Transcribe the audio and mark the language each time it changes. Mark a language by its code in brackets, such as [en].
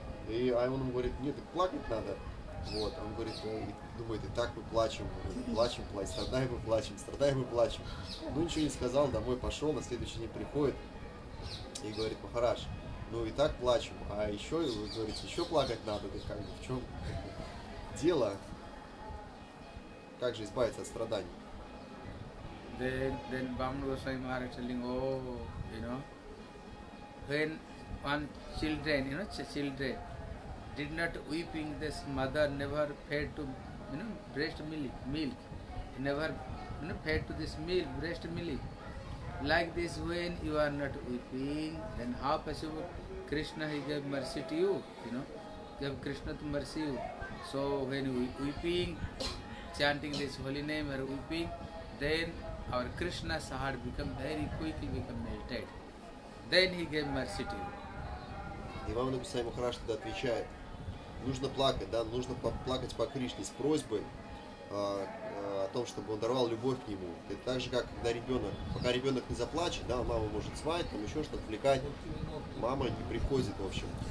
[ru] И он ему говорит, нет, так плакать надо. Вот, он говорит, думает, и так мы плачем, страдаем и плачем. Ну, ничего не сказал, домой пошел, на следующий день приходит и говорит, Махарадж, ну и так плачем, а еще, говорит, еще плакать надо, так как бы, в чем дело, как же избавиться от страданий. [en] Then Bhamana Goswami Maharaj telling, when one children, children did not weeping, this mother never fed to, breast milk, never fed to this milk, breast milk. Like this, when you are not weeping, then how possible Krishna, he gave mercy to you, gave Krishna to mercy you. So when weeping, chanting this holy name or weeping, then our Krishna's heart become very quickly become melted. Then he gave mercy to you. [ru] Ивана Гусай Махараш тогда отвечает, нужно плакать, да, нужно плакать по Кришне с просьбой о том, чтобы он даровал любовь к нему. Это так же, как когда ребенок, пока ребенок не заплачет, да, мама может звать, там еще что-то отвлекать, мама не приходит, в общем.